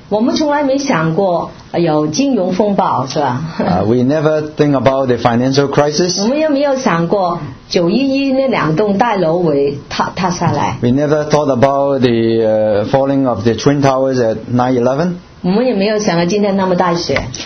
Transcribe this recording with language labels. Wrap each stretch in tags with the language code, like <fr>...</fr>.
<zh>我们从来没想过有金融风暴是吧</zh> <en>we never think about the financial crisis.</en> <zh>我们又没有想过911那两栋大楼会塌下来。</zh> <en>We never thought about the falling of the Twin Towers at 9/11.</en> <zh>我们也没有想到今天那么大雪。</zh>